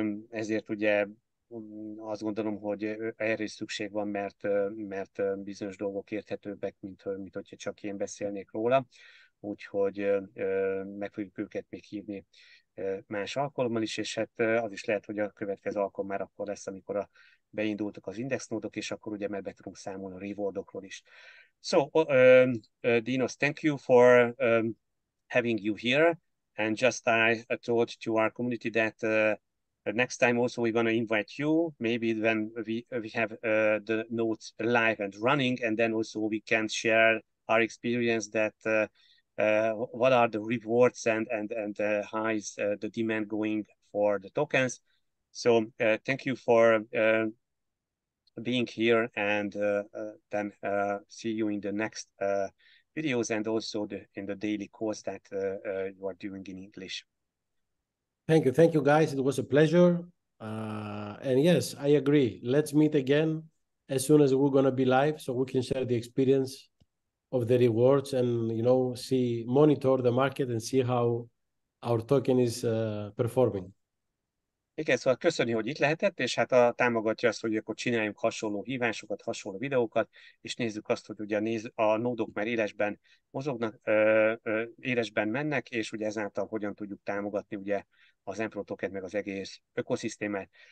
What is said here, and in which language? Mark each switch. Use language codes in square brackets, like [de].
[hu] Ezért ugye azt gondolom, hogy erre is szükség van, mert bizonyos dolgok érthetőbbek, mint hogyha csak én beszélnék róla. Úgyhogy meg fogjuk őket még hívni más alkalommal is, és hát az is lehet, hogy a következő alkalom már akkor lesz, amikor beindultak az indexnódok, és akkor ugye már be tudunk számolni a rewardokról is. [en] So, Dinosz, thank you for having you here, and just I told to our community that next time also we're going to invite you, maybe when we have the nodes live and running, and then also we can share our experience that what are the rewards and how is the demand going for the tokens. So thank you for being here, and then see you in the next videos, and also in the daily course that you are doing in English. Thank you guys, it was a pleasure, And yes, I agree. Let's meet again as soon as we're going to be live so we can share the experience of the rewards and, you know, see, monitor the market and see how our token is performing. [hu] Igen, szóval köszönjük, hogy itt lehetett, és hát a támogatja azt, hogy akkor csináljunk hasonló hívásokat, hasonló videókat, és nézzük azt, hogy ugye a nódok már élesben mozognak, élesben mennek, és ugye ezáltal hogyan tudjuk támogatni ugye az Emperor Token meg az egész ökoszisztémát.